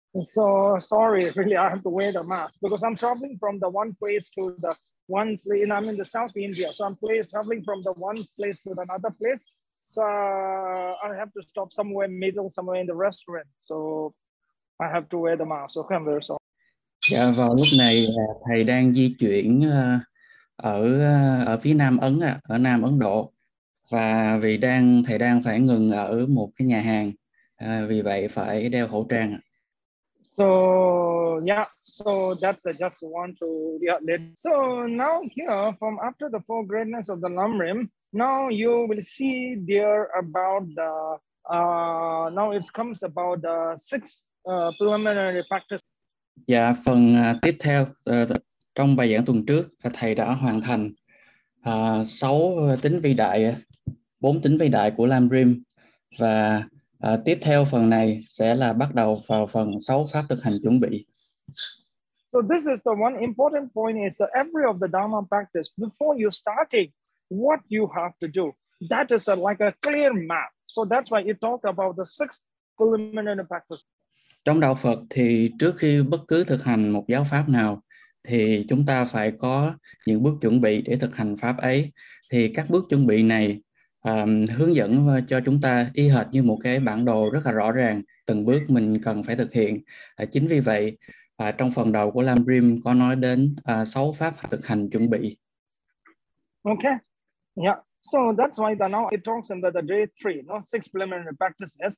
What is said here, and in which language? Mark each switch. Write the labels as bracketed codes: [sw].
[en] So sorry, really, I have to wear the mask because I'm traveling from the one place to the one place, and I'm in the South India. So I'm traveling from the one place to another place. So I have to stop somewhere middle, somewhere in the restaurant. So I have to wear the mask. Okay, I'm very sorry. [vi] Dạ, vào lúc này thầy đang di chuyển ở phía Nam Ấn ạ, ở Nam Ấn Độ, và vì đang thầy đang phải ngừng ở một cái nhà hàng, vì vậy phải đeo khẩu trang ạ. [en] So yeah, so that's just want to yeah. Then. So now here from after the four greatness of the Lamrim, now you will see there about the now it comes about the six preliminary practice. [vi] Dạ, phần tiếp theo trong bài giảng tuần trước thầy đã hoàn thành sáu tính vĩ đại, bốn tính vĩ đại của Lamrim, và tiếp theo phần này sẽ là bắt đầu vào phần sáu pháp thực hành chuẩn bị. [en] So this is the one important point is that every of the Dharma practice before you starting what you have to do that is a, like a clear map. So that's why you talk about the six preliminary practice. [vi] Trong đạo Phật thì trước khi bất cứ thực hành một giáo pháp nào thì chúng ta phải có những bước chuẩn bị để thực hành pháp ấy. Thì các bước chuẩn bị này hướng dẫn cho chúng ta y hệt như một cái bản đồ rất là rõ ràng từng bước mình cần phải thực hiện. Chính vì vậy trong phần đầu của Lam Rim có nói đến sáu pháp thực hành chuẩn bị. [en] Okay, yeah. So that's why the now it talks about the day three, no six preliminary practices.